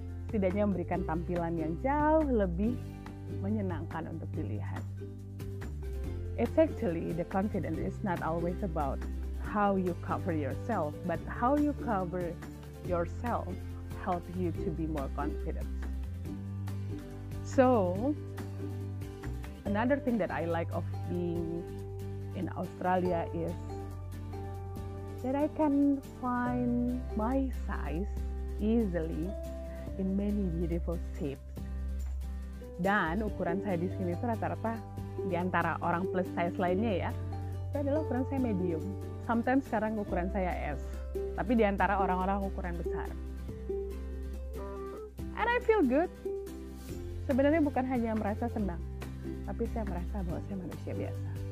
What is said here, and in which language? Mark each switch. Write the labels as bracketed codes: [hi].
[id] Setidaknya memberikan tampilan yang jauh lebih menyenangkan untuk dilihat. [en] It's actually the confidence is not always about how you cover yourself, but how you cover yourself help you to be more confident. So, another thing that I like of being in Australia is that I can find my size easily in many beautiful shapes. [id] Dan ukuran saya di sini itu rata-rata di antara orang plus size lainnya ya, itu adalah ukuran saya medium. Sometimes sekarang ukuran saya S. Tapi di antara orang-orang ukuran besar. [en] And I feel good. [id] Sebenarnya bukan hanya merasa senang, tapi saya merasa bahwa saya manusia biasa.